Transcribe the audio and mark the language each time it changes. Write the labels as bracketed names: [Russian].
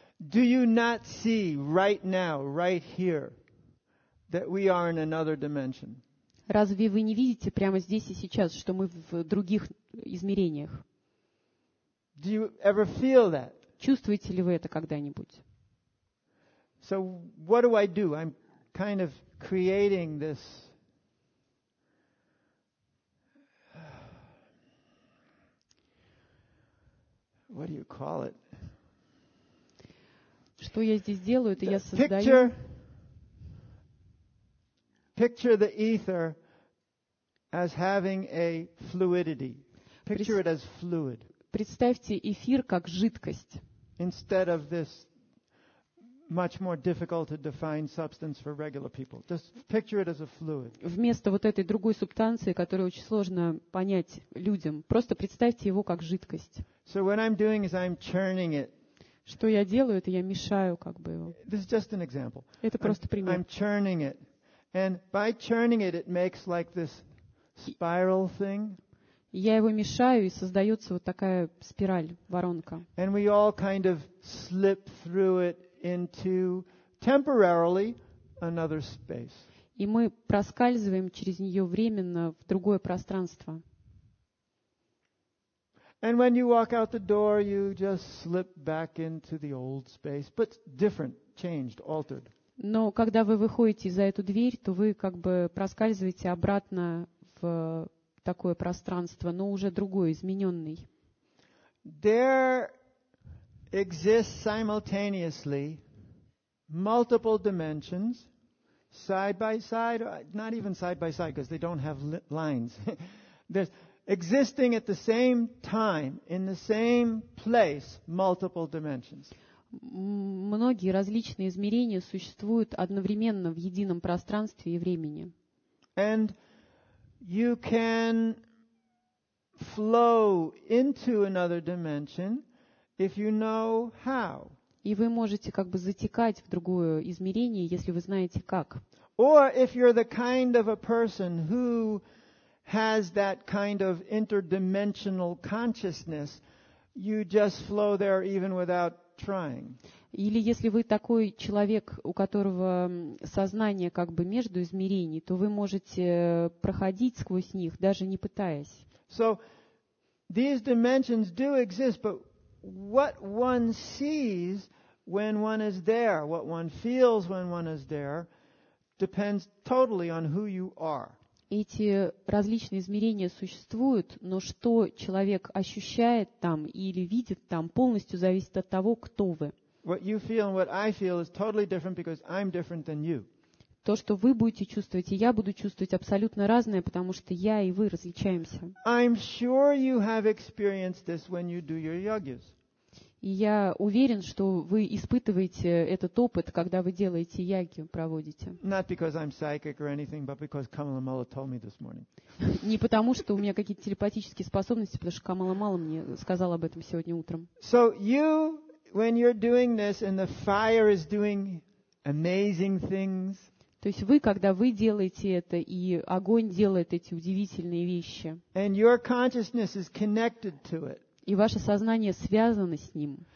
[English] Do you not see right now, right here, that we are in another dimension? [Russian] Разве вы не видите прямо здесь и сейчас, что мы в других измерениях? [English] Do you ever feel that? [Russian] Чувствуете ли вы это когда-нибудь? [English] So what do I do? I'm kind of creating this. What do you call it? [Russian] Что я здесь делаю? Это я создаю. [English] Picture the ether as having a fluidity. Picture it as fluid. [Russian] Представьте эфир как жидкость. [English] Instead of this much more difficult to define substance for regular people, just picture it as a fluid. [Russian] Вместо вот этой другой субстанции, которую очень сложно понять людям, просто представьте его как жидкость. [English] So what I'm doing is I'm churning it. [Russian] Что я делаю, это я мешаю как бы его. [English] This is just an example. [Russian] Это просто пример. [English] I'm churning it, and by churning it, it makes like this spiral thing. [Russian] Я его мешаю, и создается вот такая спираль, воронка. [English] And we all kind of slip through it into temporarily another space. [Russian] И мы проскальзываем через нее временно в другое пространство. [English] And when you walk out the door, you just slip back into the old space, but different, changed, altered. [Russian] Но когда вы выходите за эту дверь, то вы как бы проскальзываете обратно в такое пространство, но уже другое, измененный. [English] There exists simultaneously multiple dimensions, side by side, not even side by side, because they don't have lines. There's existing at the same time, in the same place, multiple dimensions. [Russian] Многие различные измерения существуют одновременно в едином пространстве и времени. [English] And you can flow into another dimension if you know how. [Russian] И вы можете как бы затекать в другое измерение, если вы знаете как. [English] Or if you're the kind of a person who has that kind of interdimensional consciousness, you just flow there even without trying. [Russian] Или если вы такой человек, у которого сознание как бы между измерений, то вы можете проходить сквозь них, даже не пытаясь. [English] So these dimensions do exist, but what one sees when one is there, what one feels when one is there, depends totally on who you are. [Russian] Эти различные измерения существуют, но что человек ощущает там или видит там, полностью зависит от того, кто вы. [English] What you feel and what I feel is totally different because I'm different than you. [Russian] То, что вы будете чувствовать, и я буду чувствовать абсолютно разное, потому что я и вы различаемся. [English] I'm sure you have experienced this when you do your yogas. [Russian] И я уверен, что вы испытываете этот опыт, когда вы делаете яги, проводите. [English] Not because I'm psychic or anything, but because Kamala Mala told me this morning. [Russian] Не потому, что у меня какие-то телепатические способности, потому что Камала Мала мне сказала об этом сегодня утром. [English] So you, when you're doing this and the fire is doing amazing things. [Russian] То есть вы, когда вы делаете это, и огонь делает эти удивительные вещи. [English] And your consciousness is connected to it. [Russian] И ваше сознание связано с ним.